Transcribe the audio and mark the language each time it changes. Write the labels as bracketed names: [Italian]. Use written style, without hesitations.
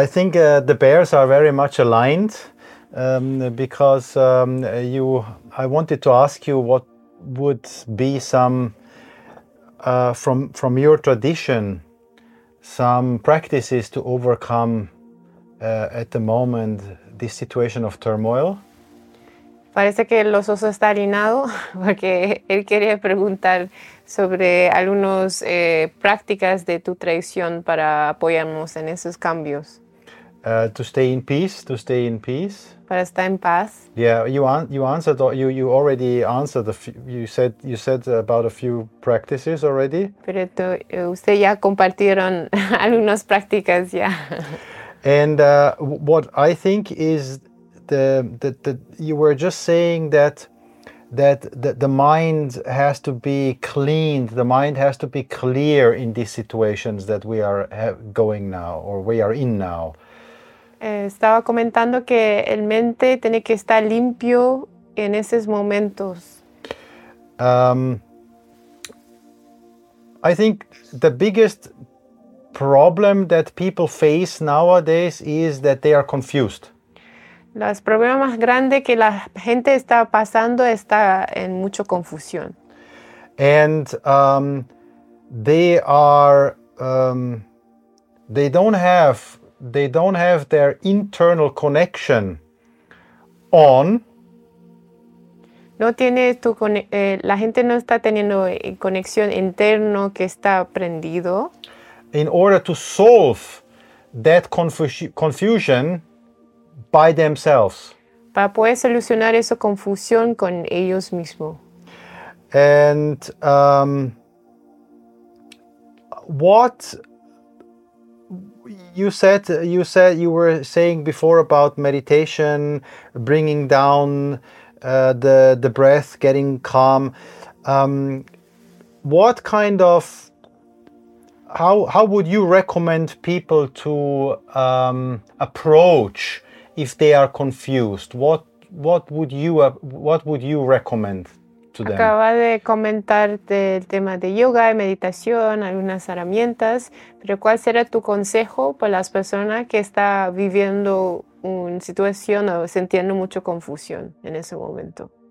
[English] I think the bears are very much aligned because I wanted to ask you what would be some from your tradition, some practices to overcome at the moment this situation of turmoil. [Spanish] Parece que el oso está alineado porque él quería preguntar sobre algunas prácticas de tu tradición para apoyarnos en esos cambios. [English] To stay in peace. [Spanish] Para estar en paz. [English] Yeah, you already answered. You said about a few practices already. [Spanish] Pero usted ya compartieron algunas prácticas ya. [English] And what I think is that you were just saying that the mind has to be cleaned. The mind has to be clear in these situations that we are going now or we are in now. [Spanish] Estaba comentando que el mente tiene que estar limpio en esos momentos. [English] I think the biggest problem that people face nowadays is that they are confused. [Spanish] Los problemas más grandes que la gente está pasando está en mucha confusión. [English] And they don't have their internal connection on. [Spanish] No tiene tu la gente no está teniendo conexión interno que está prendido. [English] In order to solve that confusion by themselves. [Spanish] Para poder solucionar esa confusión con ellos mismos. [English] And what you said you were saying before about meditation, bringing down the breath, getting calm. What kind of how would you recommend people to approach if they are confused? What would you recommend to them? [Spanish] Acaba de comentar el tema de yoga y meditación, algunas herramientas, pero ¿cuál será tu consejo para las personas que están viviendo una situación o sintiendo mucha confusión en ese momento?